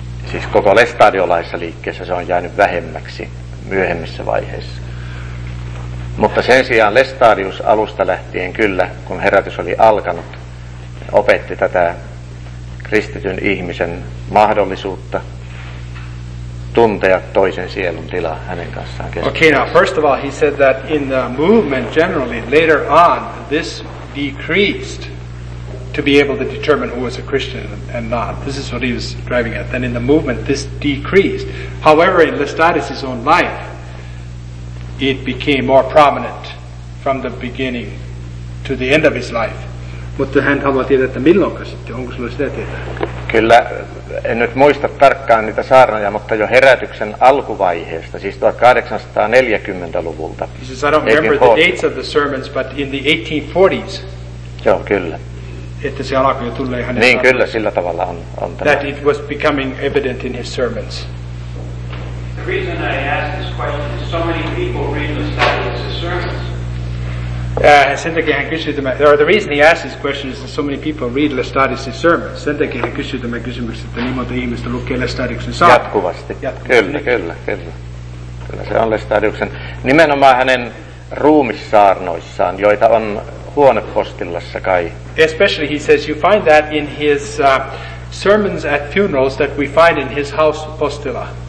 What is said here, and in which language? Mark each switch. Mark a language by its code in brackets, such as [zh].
[fi] Siis koko lestadiolaisessa liikkeessä se on jäänyt vähemmäksi myöhemmissä vaiheissa. Mutta sen sijaan Lestadius alusta lähtien kyllä, kun herätys oli alkanut, opetti tätä kristityn ihmisen mahdollisuutta tuntea toisen sielun tilaa hänen kanssaan keskustelua. [en] Okay, now first of all he said that in the movement generally later on this decreased to be able to determine who was a Christian and not. This is what he was driving at. Then in the movement, this decreased. However, in Lestadis' own life, it became more prominent from the beginning to the end of his life. [fi] Mutta hän haluaa tietää, että milloinko sitten, onko sinulla sitä tietää? Kyllä, en nyt muista tarkkaan niitä saarnoja, mutta jo herätyksen alkuvaiheesta, siis 1840-luvulta. [en] He says, I don't remember the dates of the sermons, but in the 1840s. [fi] Joo, kyllä. Että se alkoi jo tulla hänen niin, sanoen, kyllä, sillä tavalla on tämä. [en] That it was becoming evident in his sermons. The reason I ask this question is so many people read the status of sermons. Sen takia hän kysyi tämän, or the reason he asked this question is that so many people read Lestadis' sermons. [fi] Sen takia hän kysyi tämän kysymyksen, että niin monta ihmistä lukee Lestadiuksen saarnoja. Jatkuvasti. Kyllä. Kyllä se on Lestadiuksen, nimenomaan hänen ruumissaarnoissaan, joita on huonepostillassa kai. [en] Especially he says you find that in his sermons at funerals that we find in his house postilla.